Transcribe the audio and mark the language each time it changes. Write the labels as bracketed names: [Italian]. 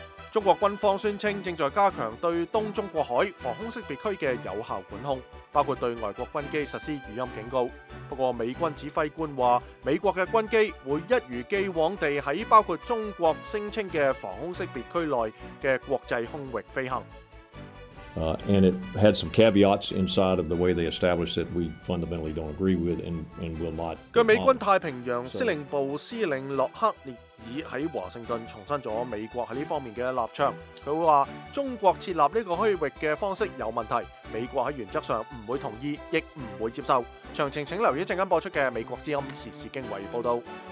[Chinese] 中国军方宣称正在加强对东中国海防空识别区的有效管控，包括对外国军机实施语音警告。不过美军指挥官说，美国的军机会一如既往地在包括中国声称的防空识别区内的国际空域飞行。 [English] And it had some caveats inside of the way they established it. We fundamentally don't agree with, and will not. [Chinese] 据美军太平洋司令部司令洛克列尔在华盛顿重申了美国在这方面的立场，他说中国设立这个区域的方式有问题，美国在原则上不会同意，亦不会接受。详情请留意一阵间播出的美国之音时事经纬报道。